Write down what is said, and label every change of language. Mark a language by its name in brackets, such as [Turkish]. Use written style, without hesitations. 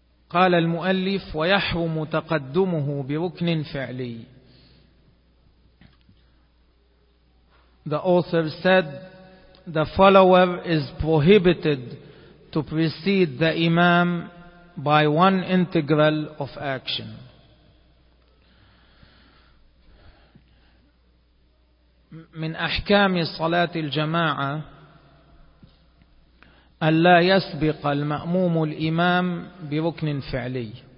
[Arabic] قال المؤلف ويحرم تقدمه بركن فعلي. [English] The author said the follower is prohibited to precede the imam by one integral of action. [Arabic] من أحكام صلاة الجماعة ألا يسبق المأموم الإمام بركن فعلي.